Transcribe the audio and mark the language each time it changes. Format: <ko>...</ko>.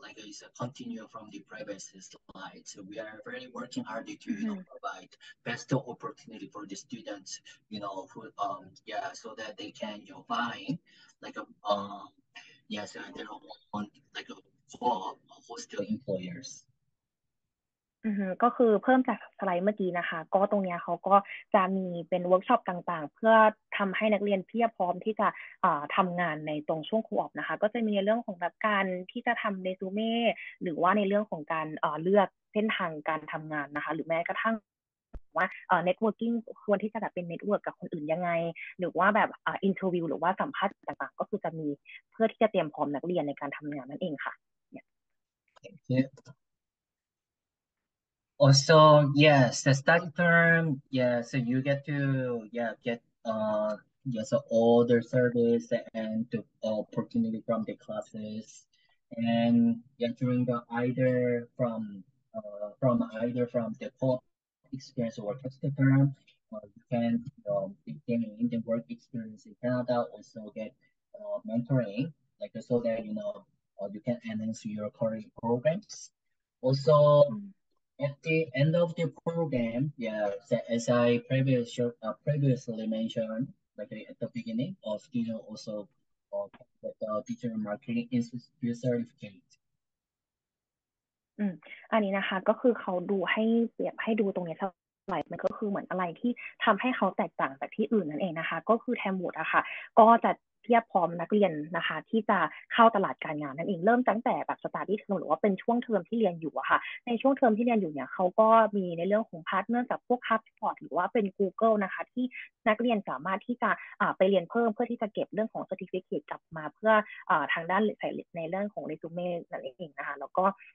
<en>Like it's a continue from the previous slide. So we are really working hard to you know provide best opportunity for the students, you know, who so that they can you know find like a so they don't want like a hostile employers.</en> <th>ก็คือเพิ่มจากสไลด์เมื่อกี้นะคะก็ตรงนี้เขาก็จะมีเป็นเวิร์กช็อปต่างๆเพื่อทําให้นักเรียนเพียบพร้อมที่จะทํางานในตรงช่วงครูออฟนะคะก็จะมีเรื่องของแบบการที่จะทําเรซูเม่หรือว่าในเรื่องของการเลือกเส้นทางการทํางานนะคะหรือแม้กระทั่งว่าเน็ตเวิร์กิ่งควรที่จะแบบเป็นเน็ตเวิร์กกับคนอื่นยังไงหรือว่าแบบอินเทอร์วิวหรือว่าสัมภาษณ์ต่างๆก็คือจะมีเพื่อที่จะเตรียมพร้อมนักเรียนในการทํางานนั่นเองค่ะ</th> <en>Also, yes, the study term, so you get to, get, all the service and the opportunity from the classes. And during the either from the co-op experience or test term, you can, gain the work experience in Canada, also get mentoring, like so that, you know, you can enhance your career programs. Also, at the end of the program, as I previously mentioned, like at the beginning, of student also get the digital marketing institute certificate.</en> <th>อันนี้นะคะก็คือเขาดูให้เปรียบให้ดูตรงนี้สไลด์มันก็คือเหมือนอะไรที่ทำให้เขาแตกต่างจากที่อื่นนั่นเองนะคะก็คือแทมบูดอะค่ะก็จะเพียบพร้อมนักเรียนนะคะที่จะเข้าตลาดการงานนั่นเองเริ่มตั้งแต่แบบสตาร์ทที่เทอมหรือว่าเป็นช่วงเทอมที่เรียนอยู่อะค่ะในช่วงเทอมที่เรียนอยู่เนี่ยเขาก็มีในเรื่องของพาร์ทเนอร์กับพวกคัพพอร์ตหรือว่าเป็น Google นะคะที่นักเรียนสามารถที่จะไปเรียนเพิ่มเพื่อที่จะเก็บเรื่องของเซอร์ติฟิเคตกลับมาเพื่อทางด้านใส่ในเรื่องของเรซูเม่นั่นเองนะคะแล้วก็</th>